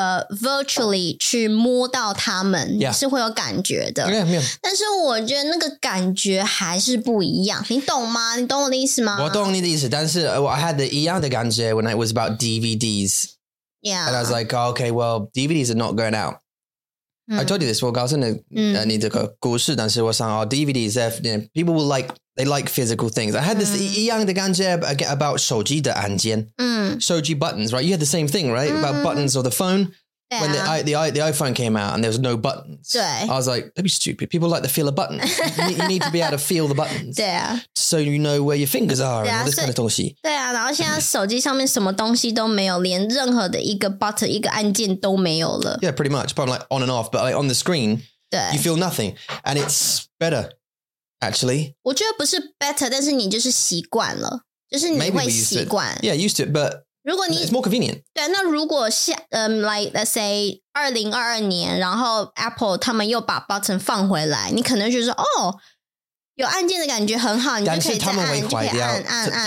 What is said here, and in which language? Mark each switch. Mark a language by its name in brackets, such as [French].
[Chinese] virtually去摸到他们，你是会有感觉的，但是我觉得那个感觉还是不一样，你懂吗？你懂我的意思吗？我懂你的意思，但是 [English] I had the [Chinese] 一样的感觉 [English] when it was about DVDs. Yeah. And I was like, oh, okay, well, DVDs are not going out. I told you this, [Chinese] 我告诉你的故事, 但是我想, [English] oh, DVDs, you know, people will like, they like physical things. I had this [Chinese] 一样的感觉 [English] about [Chinese] 手机的按键, [English] 手机 buttons, right? You had the same thing, right? About buttons or the phone. When the iPhone came out and there was no buttons, I was like, that'd be stupid. People like the feel of buttons. You need to be able to feel the buttons. So you know where your fingers are and all this kind of 东西. [Chinese] 对啊,然后现在手机上面什么东西都没有,连任何的一个 button, 一个按键都没有了. [English] Yeah, pretty much. Probably like on and off, but like on the screen, you feel nothing. And it's better, actually. [Chinese] 我觉得不是 better, 但是你就是习惯了,就是你会习惯. [English] Yeah, used to it, but... [Chinese] 如果你, [English] it's more convenient. [Chinese] 对,那如果下, [English] like, let's say, [Chinese] 2022年, 然后 Apple他们又把 button放回来, 你可能就说, 哦,有按键的感觉很好, 你就可以再按,就可以按,按,按。